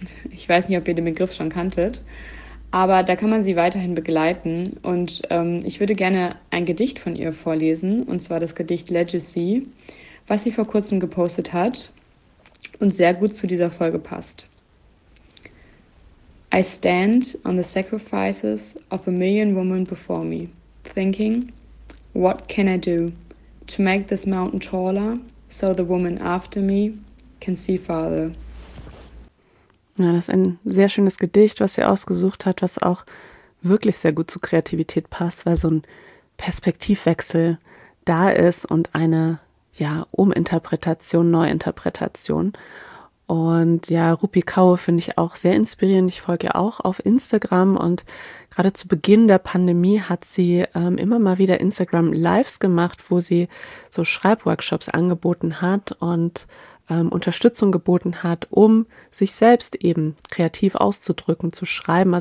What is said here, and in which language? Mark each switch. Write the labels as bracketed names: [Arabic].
[German] Ich weiß nicht, ob ihr den Begriff schon kanntet, aber da kann man sie weiterhin begleiten. Und ich würde gerne ein Gedicht von ihr vorlesen, und zwar das Gedicht Legacy, was sie vor kurzem gepostet hat und sehr gut zu dieser Folge passt. [English] I stand on the sacrifices of a million women before me, thinking, what can I do to make this mountain taller so the woman after me can see farther? [German] Ja, das ist ein sehr schönes Gedicht, was sie ausgesucht hat, was auch wirklich sehr gut zu Kreativität passt, weil so ein Perspektivwechsel da ist und eine, ja, Uminterpretation, Neuinterpretation. Und ja, Rupi Kaur finde ich auch sehr inspirierend. Ich folge ihr auch auf Instagram und gerade zu Beginn der Pandemie hat sie immer mal wieder Instagram Lives gemacht, wo sie so Schreibworkshops angeboten hat und Unterstützung geboten hat, um sich selbst eben kreativ auszudrücken, zu schreiben.